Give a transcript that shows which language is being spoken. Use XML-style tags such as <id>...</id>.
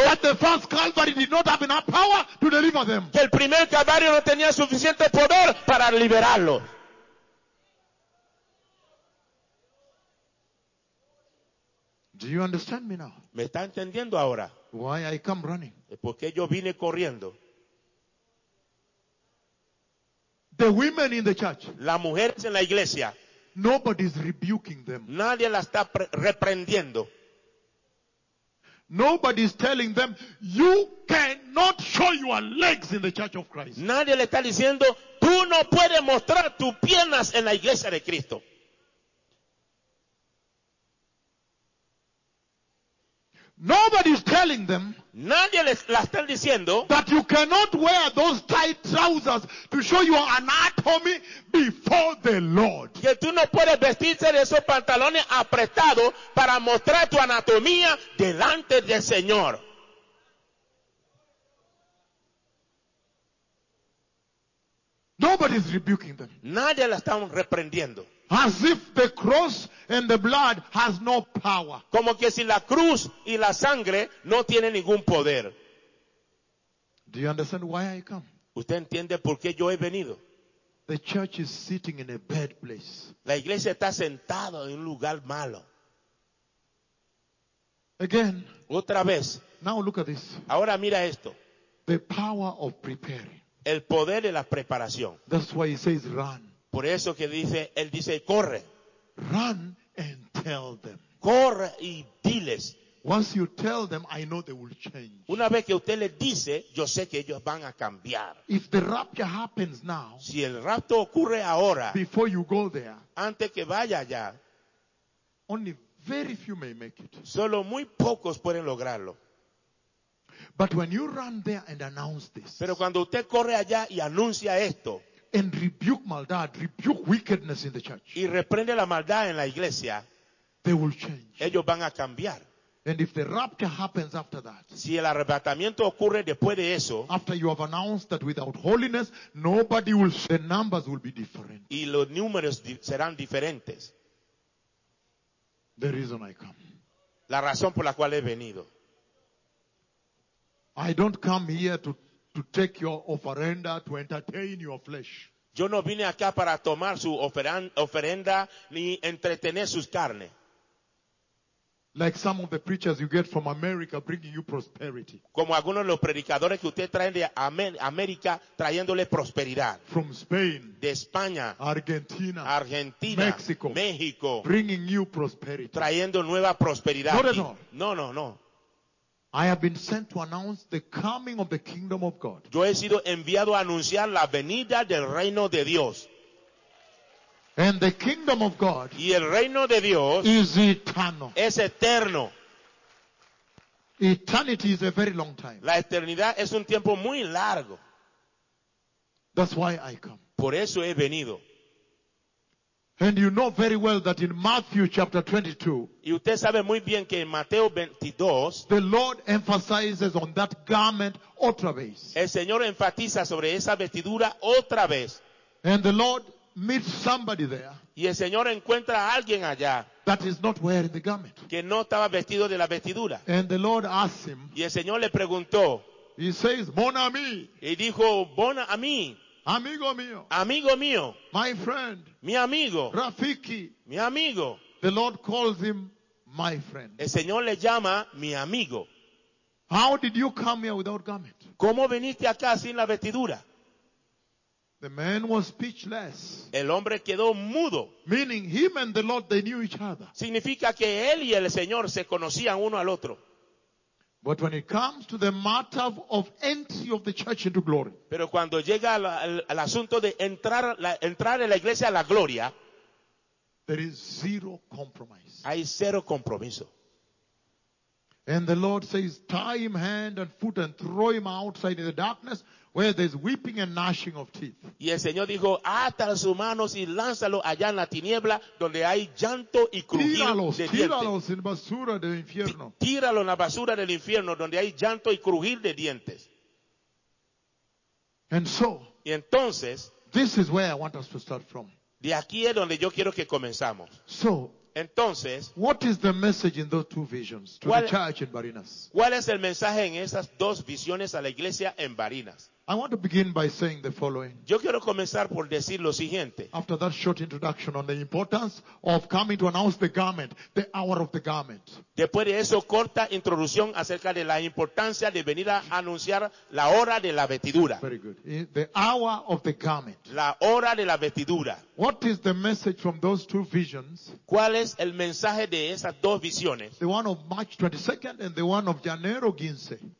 <en>That the first Calvary did not have enough power to deliver them.</en> <es>Que el primer Calvario no tenía suficiente poder para liberarlo.</es> <en>Do you understand me now?</en> <es>¿Me está entendiendo ahora?</es> <en>Why I come running?</en> <es>Porque yo vine corriendo.</es> <en>The women in the church.</en> <es>Las mujeres en la iglesia.</es> <en>Nobody is rebuking them.</en> <es>Nadie la está reprendiendo.</es> <en>Nobody is telling them you cannot show your legs in the church of Christ.</en> <es>Nadie le está diciendo tú no puedes mostrar tus piernas en la iglesia de Cristo.</es> <en>Nobody is telling them.</en> <es>Nadie les la está diciendo.</es> <en>That you cannot wear those tight trousers to show your anatomy before the Lord.</en> <es>Que tú no puedes vestirse de esos pantalones apretados para mostrar tu anatomía delante del Señor.</es> <en>Nobody is rebuking them.</en> <es>Nadie la está reprendiendo.</es> <en>As if the cross and the blood has no power.</en> <es>Como que si la cruz y la sangre no tienen ningún poder.</es> <en>Do you understand why I come?</en> <es>¿Usted entiende por qué yo he venido?</es> <en>The church is sitting in a bad place.</en> <es>La iglesia está sentada en un lugar malo.</es> <en>Again.</en> <es>Otra vez.</es> <en>Now look at this.</en> <es>Ahora mira esto.</es> <en>The power of preparing.</en> <es>El poder de la preparación.</es> <en>That's why he says run.</en> <es>Por eso que dice, él dice, corre.</es> <en>Run and tell them.</en> <es>Corre y diles.</es> <en>Once you tell them, I know they will change.</en> <es>Una vez que usted les dice, yo sé que ellos van a cambiar.</es> <en>If the rapture happens now,</en> <es>si el rapto ocurre ahora,</es> <en>before you go there,</en> <es>antes que vaya allá,</es> <en>only very few may make it.</en> <es>Solo muy pocos pueden lograrlo.</es> <en>But when you run there and announce this,</en> <es>pero cuando usted corre allá y anuncia esto,</es> <en>and rebuke maldad, rebuke wickedness in the church.</en> <es>Y reprende la maldad en la iglesia.</es> <en>They will change.</en> <es>Ellos van a cambiar.</es> <en>And if the rapture happens after that.</en> <es>Si el arrebatamiento ocurre después de eso.</es> <en>After you have announced that without holiness, nobody will, the numbers will be different.</en> <es>Y los números serán diferentes.</es> <en>The reason I come.</en> <es>La razón por la cual he venido.</es> <en>I don't come here to take your ofrenda to entertain your flesh.</en> <es>Yo no vine acá para tomar su ofrenda ni entretener sus carnes.</es> <en>Like some of the preachers you get from America bringing you prosperity.</en> <es>Como algunos de los predicadores que usted trae de América trayéndole prosperidad.</es> <en>From Spain.</en> <es>De España. Argentina. México. México.</es> <en>Bringing you prosperity.</en> <es>Trayendo nueva prosperidad.</es> <en>No. I have been sent to announce the coming of the kingdom of God.</en> <es>Yo he sido enviado a anunciar la venida del reino de Dios.</es> <en>And the kingdom of God.</en> <es>Y el reino de Dios.</es> <en>Is eternal.</en> <es>Es eterno.</es> <en>Eternity is a very long time.</en> <es>La eternidad es un tiempo muy largo.</es> <en>That's why I come.</en> <es>Por eso he venido.</es> <en>And you know very well that in Matthew chapter 22.</en> <es>Y usted sabe muy bien que en Mateo 22.</es> <en>The Lord emphasizes on that garment</en> <es>otra vez. El Señor enfatiza sobre esa vestidura otra vez.</es> <en>And the Lord meets somebody there.</en> <es>Y el Señor encuentra a alguien allá.</es> <en>That is not wearing the garment.</en> <es>Que no estaba vestido de la vestidura.</es> <en>And the Lord asks him.</en> <es>Y el Señor le preguntó.</es> <en>He says,</en> <fr>"Bon ami."</fr> <es>Y dijo,</es> <fr>"Bon ami."</fr> <es>Amigo mío. Amigo mío.</es> <en>My friend.</en> <es>Mi amigo.</es> <sw>Rafiki.</sw> <es>Mi amigo.</es> <en>The Lord calls him my friend.</en> <es>El Señor le llama mi amigo.</es> <en>How did you come here without garment?</en> <es>¿Cómo viniste acá sin la vestidura?</es> <en>The man was speechless.</en> <es>El hombre quedó mudo.</es> <en>Meaning him and the Lord, they knew each other.</en> <es>Significa que él y el Señor se conocían uno al otro.</es> <en>But when it comes to the matter of entry of the church into glory.</en> <es>Pero cuando llega al asunto de entrar en la iglesia a la gloria.</es> <en>There is zero compromise.</en> <es>Hay cero compromiso.</es> <en>And the Lord says, tie him hand and foot and throw him outside in the darkness where there's weeping and gnashing of teeth.</en> <es>Y el Señor dijo, ata sus manos y lánzalo allá en la tiniebla donde hay llanto y crujir tíralos, de dientes. Tíralos en basura del infierno. Tíralo en la basura del infierno donde hay llanto y crujir de dientes.</es> <en>And so,</en> <es>y entonces,</es> <en>this is where I want us to start from.</en> <es>De aquí es donde yo quiero que comenzamos.</es> <en>So,</en> <es>entonces,</es> <en>what is the message in those two visions to the church in Barinas?</en> <es>¿Cuál es el mensaje en esas dos visiones a la iglesia en Barinas?</es> <en>I want to begin by saying the following.</en> <es>Yo quiero comenzar por decir lo siguiente.</es> <en>After that short introduction on the importance of coming to announce the garment, the hour of the garment.</en> <es>Después de eso, corta introducción acerca de la importancia de venir a anunciar la hora de la vestidura.</es> <en>Very good. The hour of the garment.</en> <es>La hora de la vestidura.</es> <en>What is the message from those two visions?</en> <es>¿Cuál es el mensaje de esas dos visiones?</es> <en>The one of March 22nd and the one of January 15.</en>